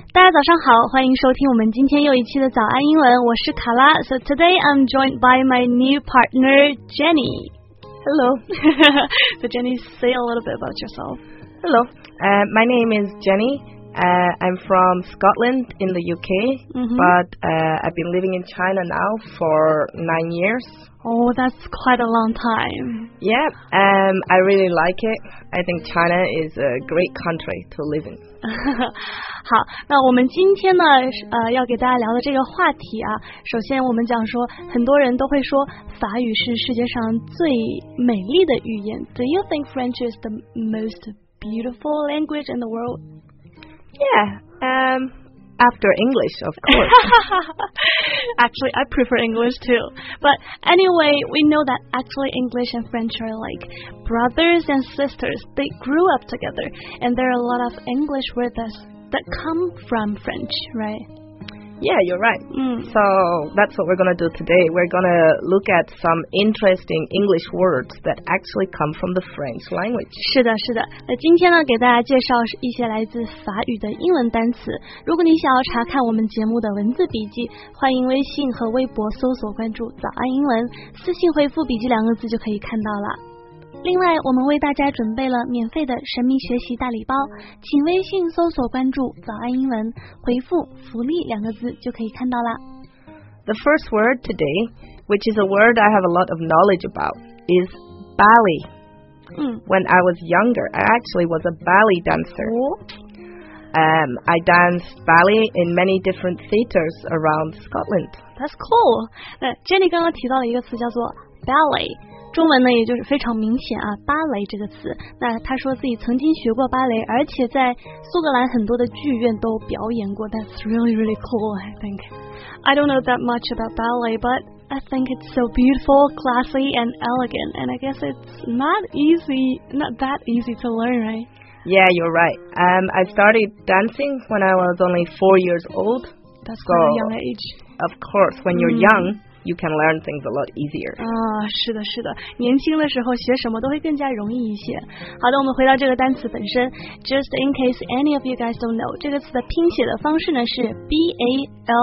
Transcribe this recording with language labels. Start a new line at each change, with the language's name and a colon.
Chinese: 早上好，欢迎收听我们今天又一期的早安英文，我是卡拉。
English: So today I'm joined by my new partner Jenny. Hello. So Jenny, say a little bit about yourself. Hello, my name is Jenny. I'm from Scotland in the UK, but I've been living in China now for 9 years. Oh, that's quite a long time. Yeah, I really like it. I think China is a great country to live in.
Chinese: 好，那我们今天呢，要给大家聊的这个话题啊，首先我们讲说，很多人都会说法语是世界上最美丽的语言。
English: Do you think French is the most beautiful language in the world? Yeah, after English, of course. Actually, I prefer English too. But anyway, we know that actually English and French are like brothers and sisters. They grew up together, and there are a lot of English words that come from French, right? Yeah, you're right. So that's what we're going to do today. We're going to look at some interesting English words that actually come from the French language.
Chinese: 是的，是的。那今天呢，给大家介绍一些来自法语的英文单词。如果你想要查看我们节目的文字笔记，欢迎微信和微博搜索关注早安英文，私信回复笔记两个字就可以看到了。另外，我们为大家准备了免费的神秘学习大礼包，请微信搜索关注“早安英文”，回复“福利”两个字就可以看到了。
English: The first word today, which is a word I have a lot of knowledge about, is ballet. When I was younger, I actually was a ballet dancer. I danced ballet in many different theaters around Scotland. That's cool.
Chinese: Jenny 刚刚提到了一个词叫做 ballet. 中文呢也就是非常明显啊，芭蕾这个词。那他说自己曾经学过芭蕾，而且在苏格兰很多的剧院都表演过。
English: That's really really cool, I think. I don't know that much about ballet, but I think it's so beautiful, classy and elegant. And I guess it's not that easy to learn, right? Yeah, you're right. I started dancing when I was only 4 years old. That's quite a young age. Of course, when you're young,you can learn things a lot easier.
Chinese: 啊，是的，是的，年轻的时候学什么都会更加容易一些。好的，我们回到这个单词本身。
English: Just in case any of you guys don't know,
Chinese: 这个词的拼写的方式呢是 ballet.